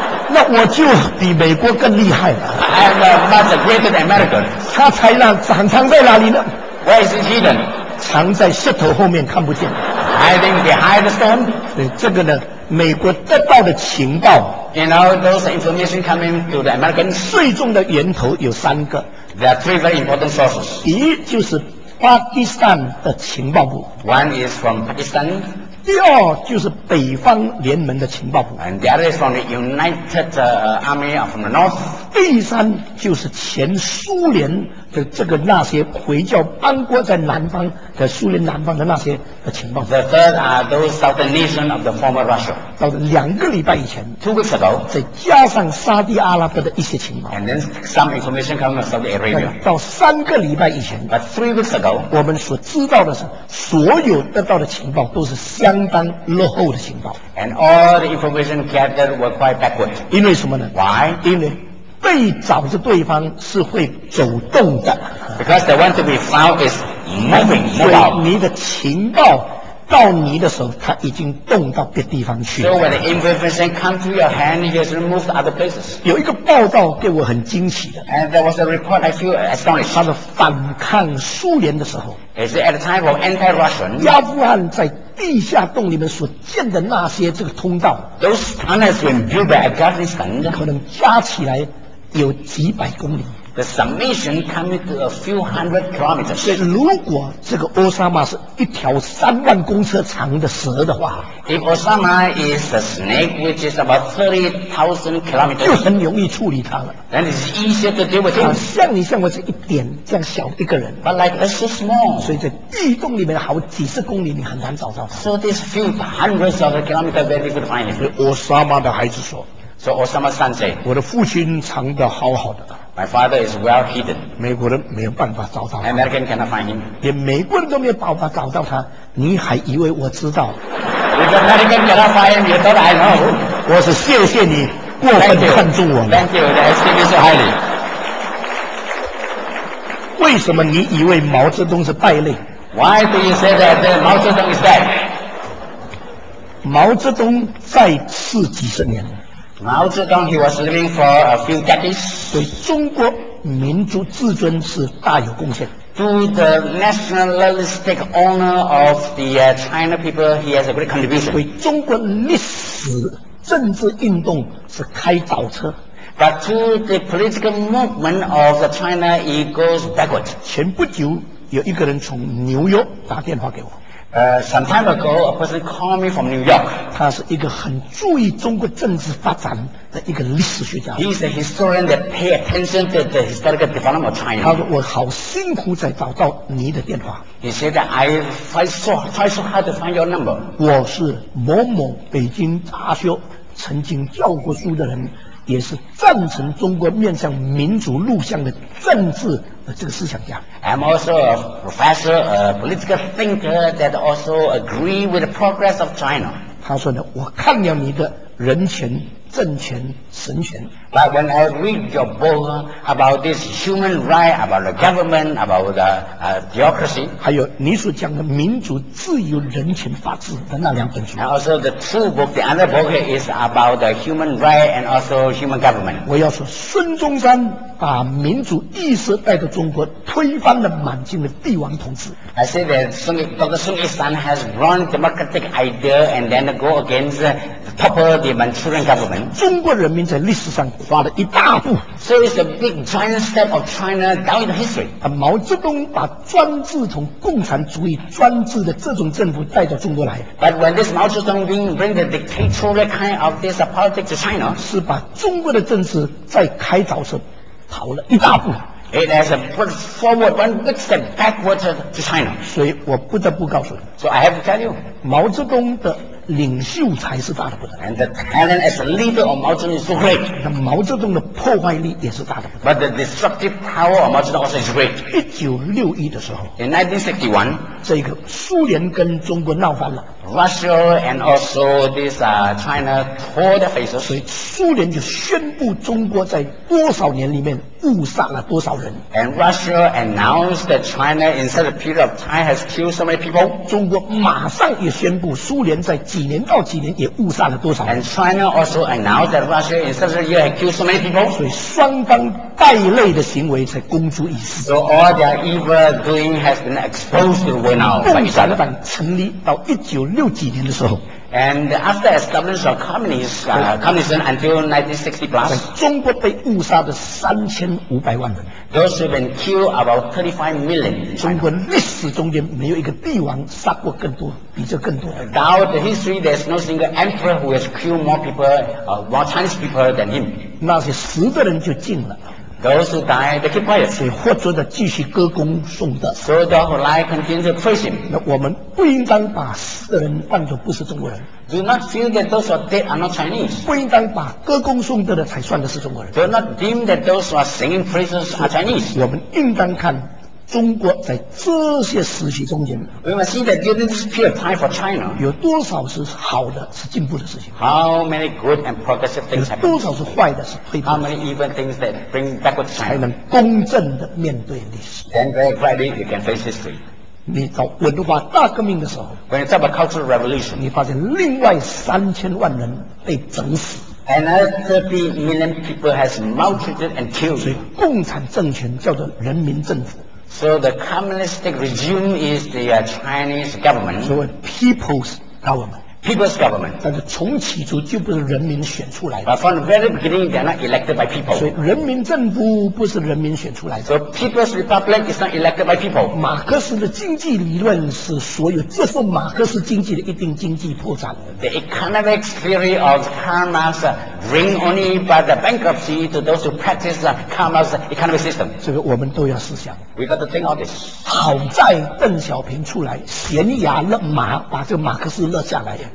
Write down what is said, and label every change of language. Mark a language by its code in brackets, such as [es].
[zh] 那我就比美国更厉害了 [en] I am much greater than America [zh] 他才那藏在哪里呢 [en] Where is he hidden? [zh] 藏在石头后面看不见 [en] Hiding behind the stone [zh] 对这个呢美国得到的情报 [en] You know, those information coming to the Americans [zh] 最重的源头有三个 [en] There are three very important sources [zh] 一就是巴基斯坦的情报部 [en] One is from Pakistan [zh] 第二就是北方联盟的情报部 [en] And the other is from the United Army of the North [zh] 第三就是前苏联的这个那些回教邦国在南方的苏联南方的那些的情报 [en] The third are those southern nations of the former Russia [zh] 到两个礼拜以前 [en] Two weeks ago [zh] 再加上沙地阿拉伯的一些情报 [en] And then some information coming from Saudi Arabia [zh] 到三个礼拜以前 [en] But three weeks ago [zh] 我们所知道的是所有得到的情报都是相当落后的情报 [en] And all the information gathered were quite backward [zh] 因为什么呢 [en] Why? [zh] 因为被找的对方是会走动的 [en] Because the one to be found is moving, mobile [zh] 所以你的情报到你的时候它已经动到别地方去了 [en] So when the information comes to your hand it has moved to other places [zh] 有一个报道给我很惊奇的 [en] And there was a report I feel astonished [zh] 它的反抗苏联的时候 [en] Is it at the time of anti-Russian [zh] 阿富汗在地下洞里面所建的那些这个通道 [en] Those tunnels when built by Afghanistan [zh] 可能加起来有几百公里 [en] The summation coming to a few hundred kilometers [zh] 所以如果这个奥沙马是一条三万公尺长的蛇的话 [en] If Osama is a snake which is about 30,000 kilometers [zh] 就很容易处理它了 [en] Then it's easier to deal with him [zh] 像你像我这一点这样小一个人 [en] But like this is small [zh] 所以在地洞里面好几十公里你很难找到 [en] So this few hundreds of kilometers very difficult to find him [zh] 所以奥沙马的孩子说 [en] So Osama San said, [zh] 我的父亲藏得好好的。 [en] My father is well hidden. [zh] 美国人没有办法找到他。 [en] American cannot find him. [zh] 连美国人都没有办法找到他，你还以为我知道 [en] ？If American cannot find him, you thought I know. [zh] 我是谢谢你过分看重我们。 [en] Thank you. Thank you. That's very so highly. [zh] 为什么你以为毛泽东是败类 [en] ？Why do you say that Mao Zedong is dead? [zh] 毛泽东在世几十年。 [en] 毛泽东 he was living for a few decades [zh] 对中国民族自尊是大有贡献 [en] To the nationalistic honor of the China people he has a great contribution [zh] 对中国历史政治运动是开倒车 [en] But to the political movement of China it goes backward [zh] 前不久有一个人从纽约打电话给我 [en] some time ago, a person called me from New York. [zh] 他是一个很注意中国政治发展的一个历史学家。 [en] He is a historian that pay attention to the historical development of China. [zh] 他说我好辛苦才找到你的电话。 [en] He said that I try so hard to find your number. [zh] 我是某某北京大学曾经教过书的人，也是赞成中国面向民主路向的政治。这个思想家 [en] I'm also a professor a political thinker that also agree with the progress of China [zh] 他说呢我看了你的人权、政权、神权。 [en] But when I read your book about this human right, about the government, about the theocracy, [zh] 还有你所讲的民主、自由、人权、法治的那两本书。 [en] And also the two book, the other book is about the human right and also human government. [zh] 我要说，孙中山把民主意识带到中国，推翻了满清的帝王统治。 [en] I say that Dr. Sun Yat-sen has brought democratic idea and then go against topple the Manchurian government. [zh] 中国人民在历史上跨了一大步。 [en] So it's a big giant step of China down in history. [zh] 毛泽东把专制从共产主义专制的这种政府带到中国来。 [en] But when this Mao Zedong bring the dictatorial kind of this politics to China, [zh] 是把中国的政治在开凿时跑了一大步。 [en] It has a put forward one big step backwards to China. [zh] 所以我不得不告诉你。 [en] So I have to tell you, [zh] 毛泽东的领袖才是大的不得了。 [en] And the talent as a leader of Mao Zedong is so great. [zh] 那毛泽东的破坏力也是大的不得了。 [en] But the destructive power of Mao Zedong also is great. [zh] 1961的时候 [en] ，In 1961, [zh] 这个苏联跟中国闹翻了。 [en] Russia and also this China tore the faces. [zh] 所以苏联就宣布中国在多少年里面误杀了多少人。 [en] And Russia announced that China in such a period of time has killed so many people. [zh] 中国马上也宣布苏联在几年到几年也误杀了多少人。 [en] And China also announced that Russia in such a year had killed so many people. [zh] 所以双方败类的行为才公诸于世。 [en] So all their evil doing has been exposed to the world now. [zh] 共产党成立到一九六几年的时候。 [en] And after establishment of communism until 1960 plus, [zh] 中国被误杀的3500万人 [en] ，those who've been killed about 35 million. [zh] 中国历史中间没有一个帝王杀过更多，比这更多。 [en] Throughout the history, there's no single emperor who has killed more people, more Chinese people than him. [zh] 那些死的人就静了。 [en] Those who die, they keep quiet. [zh] 所以活着的继续歌功颂德。 [en] So those who lie continue to praise him. [zh] 那我们不应当把死的人当作不是中国人。 [en] Do not feel that those who are dead are not Chinese. [zh] 不应当把歌功颂德的才算的是中国人。 [en] Do not deem that those who are singing praises are Chinese. [zh] 我们应当看中国在这些时期中间， [en] we must see that during this period of time for China, [zh] 有多少是好的，是进步的事情？ [en] How many good and progressive things happen? [zh] 有多少是坏的，是退步的？ [en] How many even things that bring backward China? [zh] 才能公正的面对历史。 [en] Then very rightly you can face history. [zh] 你到文化大革命的时候， [en] When it's about cultural revolution, [zh] 你发现另外三千万人被整死。 [en] Another 30 million people has maltreated and killed. [zh] 所以共产政权叫做人民政府。 [en] So the communistic regime is the Chinese government. So people's government. People's government. [zh] 但是从起初就不是人民选出来的。 [en] But from the very beginning, they are not elected by people. [zh] 所以人民政府不是人民选出来的。 [en] So people's republic is not elected by people. [zh] 马克思的经济理论是所有接受马克思经济的一定经济破产。 [en] The economic theory of Karl Marx bring only by the bankruptcy to those who practice the Karl Marx economic system. [zh] 这个我们都要思想。 [en] We got to think of this. [zh] 好在邓小平出来悬崖勒马，把这个马克思勒下来。